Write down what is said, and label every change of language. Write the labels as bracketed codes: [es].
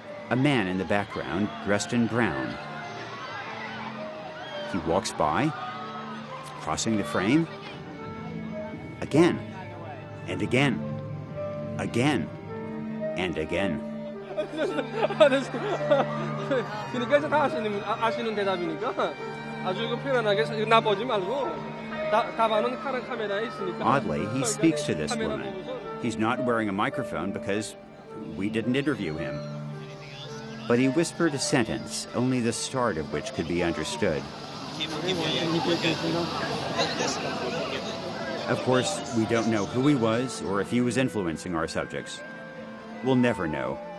[en] A man in the background, dressed in brown. He walks by, crossing the frame, again, and again, again, and again. [ko] 그러니까 다 아시는 대답이니까. 아주 편안하게 나 보지 말고 다만은 카메라 있으니까. [en] Oddly, he speaks to this woman. He's not wearing a microphone because we didn't interview him. But he whispered a sentence, only the start of which could be understood. Of course, we don't know who he was or if he was influencing our subjects. We'll never know.